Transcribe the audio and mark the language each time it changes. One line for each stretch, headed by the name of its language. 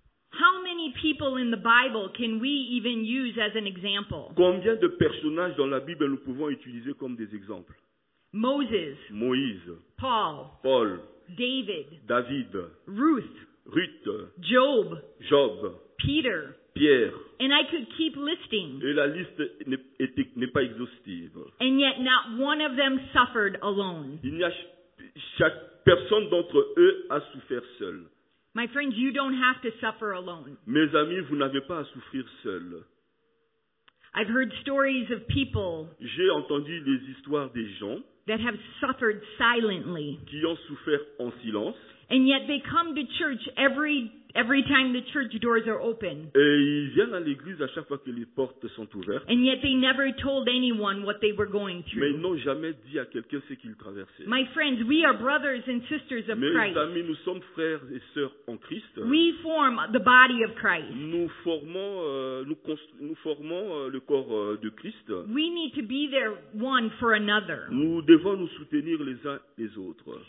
English: How many people in the Bible can we even use as an example?
French: Combien de personnages dans la Bible nous pouvons utiliser comme des exemples?
English: Moses,
French: Moïse,
English: Paul, David, Ruth, Job, Peter,
French: Pierre,
English: and I could keep listing.
French: Et la liste n'est pas exhaustive.
English: And yet, not one of them suffered alone.
French: Il n'y a chaque personne d'entre eux a souffert seul.
English: My friends, you don't have to suffer alone.
French: Mes amis, vous n'avez pas à souffrir seul.
English: I've heard stories of people.
French: J'ai entendu les histoires des gens.
English: That have suffered silently.
French: Qui ont souffert en silence.
English: And yet they come to church every time the church doors are open.
French: Et ils viennent à l'église à chaque fois que les portes sont ouvertes.
English: And yet they never told anyone what they were going through.
French: Mais ils n'ont jamais dit à quelqu'un ce qu'ils traversaient.
English: My friends, we are brothers and sisters of
French: Mes
English: Christ.
French: Mes amis, nous sommes frères et sœurs en Christ.
English: We form the body of Christ.
French: Nous formons le corps de Christ.
English: We need to be there one for another.
French: Nous devons nous soutenir les uns les autres.